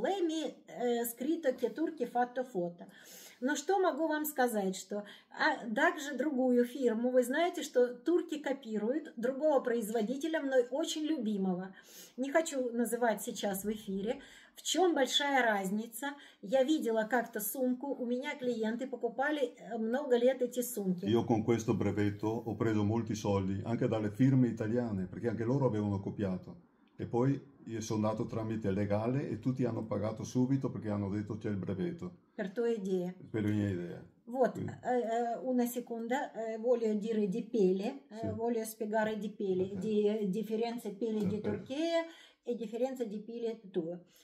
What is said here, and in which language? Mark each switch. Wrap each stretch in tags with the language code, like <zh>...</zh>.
<it>Lei mi scritto che turchi fatto foto.</it> <ru>Но что могу вам сказать, что также другую фирму, вы знаете, что турки копируют другого производителя, мной очень любимого. Не хочу называть сейчас в эфире. В чем большая разница? Я видела как-то сумку, у меня клиенты покупали много лет эти сумки.</ru> <it>Io con questo brevetto ho preso molti soldi anche dalle firme italiane, perché anche loro avevano copiato. E poi io sono andato tramite legale e tutti hanno pagato subito perché hanno detto c'è il brevetto. Per tua idea. Per la mia idea. Вот, una seconda, voglio dire di pelle, voglio spiegare di pelle, di differenze pelle di Turchia e differenze di pelle tua.</it>